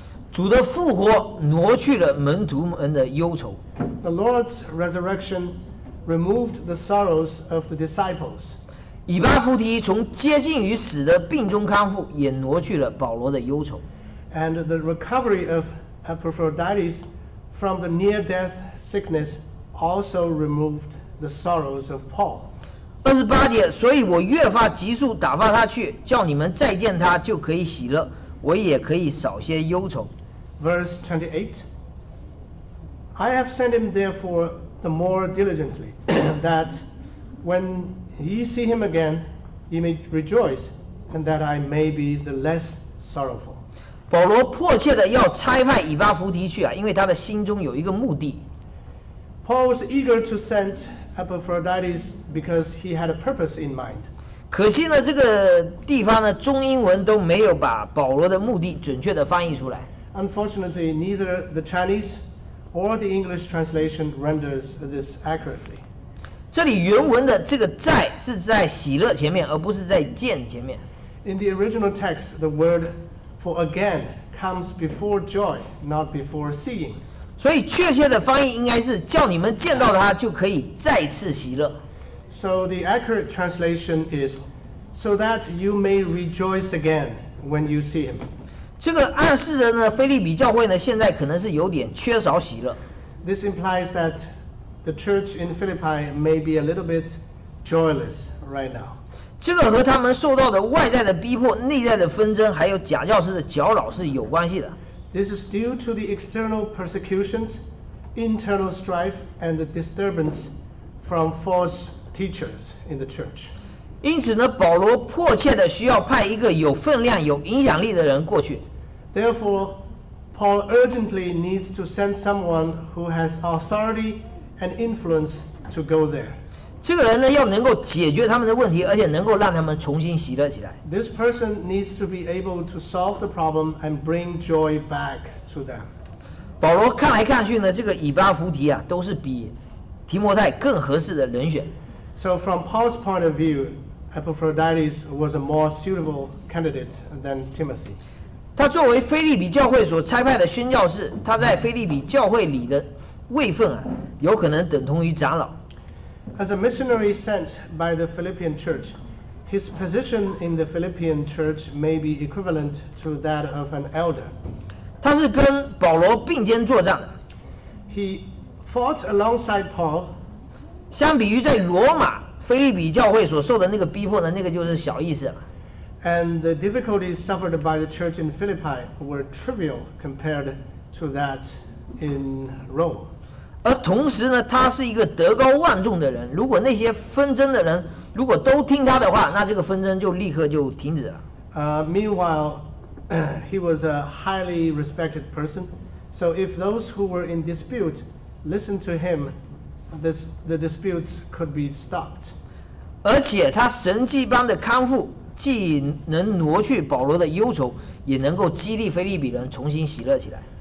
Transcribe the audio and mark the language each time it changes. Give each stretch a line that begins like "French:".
Chinese: 主的复活挪去了门徒们的忧愁。
English: The Lord's resurrection removed the sorrows of the disciples.
Chinese: 以巴弗提从接近于死的病中康复，也挪去了保罗的忧愁。
English: And the recovery of Epaphroditus from the near-death sickness also removed the sorrows of Paul.
Chinese: 二十八节，所以我越发急速打发他去，叫你们再见他就可以喜乐，我也可以少些忧愁。
English: Verse 28. I have sent him therefore the more diligently, that when ye see him again, ye may rejoice, and that I may be the less sorrowful.
Chinese: 保罗迫切的要差派以巴弗提去啊，因为他的心中有一个目的。
English: Paul was eager to send Epaphroditus because he had a purpose in mind.
Chinese: 可惜呢，这个地方呢，中英文都没有把保罗的目的准确的翻译出来。
English: Unfortunately, neither the Chinese or the English translation renders this accurately.
Chinese: 这里原文的这个在是在喜乐前面，而不是在见前面。
English: In the original text, the word for again comes before joy, not before seeing.
Chinese: 所以确切的翻译应该是叫你们见到他就可以再次喜乐。
English: So the accurate translation is, so that you may rejoice again when you see him.
Chinese: 这个暗示着呢，腓立比教会呢现在可能是有点缺少喜乐。
English: This implies that the church in Philippi may be a little bit joyless right now.
Chinese: 这个和他们受到的外在的逼迫、内在的纷争，还有假教师的搅扰是有关系的。
English: This is due to the external persecutions, internal strife, and the disturbance from false teachers in the church.
Chinese: 因此呢，保罗迫切的需要派一个有分量、有影响力的人过去。
English: Therefore, Paul urgently needs to send someone who has authority and influence to go there.
Chinese: 这个人呢，要能够解决他们的问题，而且能够让他们重新喜乐起来。
English: This person needs to be able to solve the problem and bring joy back to them.
Chinese: 保罗看来看去呢，这个以巴弗提啊，都是比提摩太更合适的人选。
English: So from Paul's point of view, Epaphroditus was a more suitable candidate than Timothy.
Chinese: 他作为腓立比教会所差派的宣教士，他在腓立比教会里的位分啊，有可能等同于长老。
English: As a missionary sent by the Philippian church, his position in the Philippian church may be equivalent to that of an elder.
Chinese: 他是跟保罗并肩作战。
English: He fought alongside Paul.
Chinese: 相比于在罗马腓立比教会所受的那个逼迫呢，那个就是小意思了。
English: And the difficulties suffered by the church in Philippi were trivial compared to that in Rome.
Chinese: 而同时呢，他是一个德高望重的人，如果那些纷争的人如果都听他的话，那这个纷争就立刻就停止了。
English: Meanwhile, he was a highly respected person. So if those who were in dispute listened to him, the disputes could be stopped.
Chinese: 而且他神迹般的康复，既能挪去保罗的忧愁，也能够激励腓立比人重新喜乐起来。